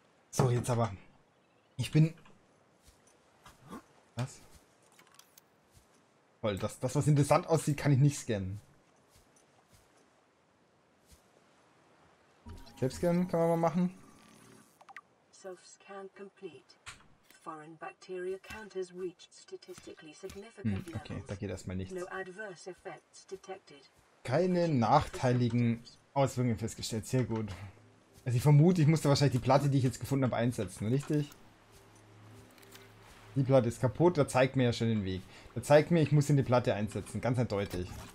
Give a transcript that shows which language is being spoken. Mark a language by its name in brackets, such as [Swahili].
[German] So, jetzt aber. Ich bin... Was? Voll, das was interessant aussieht, kann ich nicht scannen. Selbstscannen kann man mal machen. [English] Self-scan complete. Foreign bacteria counters reached statistically significant levels. [German] Okay, da geht erstmal nichts. [English] No adverse effects detected. [German] Keine nachteiligen Auswirkungen festgestellt. Sehr gut. Also ich vermute, ich musste wahrscheinlich die Platte, die ich jetzt gefunden habe, einsetzen, richtig? Die Platte ist kaputt, da zeigt mir ja schon den Weg. Da zeigt mir, ich muss in die Platte einsetzen, ganz eindeutig.